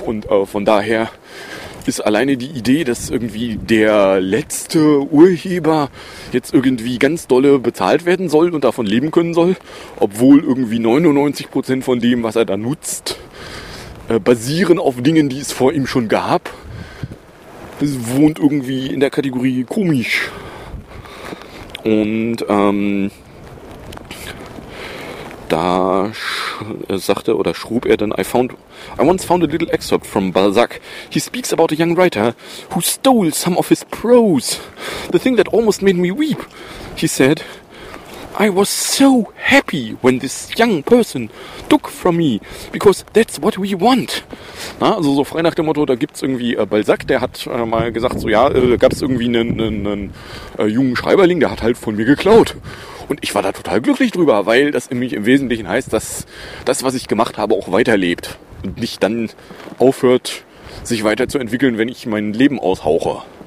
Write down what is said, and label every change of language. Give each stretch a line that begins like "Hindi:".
German: Und von daher ist alleine die Idee, dass irgendwie der letzte Urheber jetzt irgendwie ganz dolle bezahlt werden soll und davon leben können soll, obwohl irgendwie 99% von dem, was er da nutzt, basieren auf Dingen, die es vor ihm schon gab, das wohnt irgendwie in der Kategorie komisch. Und da sagte oder schrieb er dann,
English: I once found a little excerpt from Balzac. He speaks about a young writer who stole some of his prose. The thing that almost made me weep, he said, I was so happy when this young person took from me, because that's what we want.
German: Na, also so frei nach dem Motto, da gibt's irgendwie Balzac, der hat mal gesagt, so ja, gab's irgendwie einen jungen Schreiberling, der hat halt von mir geklaut. Und ich war da total glücklich drüber, weil das nämlich im Wesentlichen heißt, dass das, was ich gemacht habe, auch weiterlebt. Und nicht dann aufhört, sich weiterzuentwickeln, wenn ich mein Leben aushauche.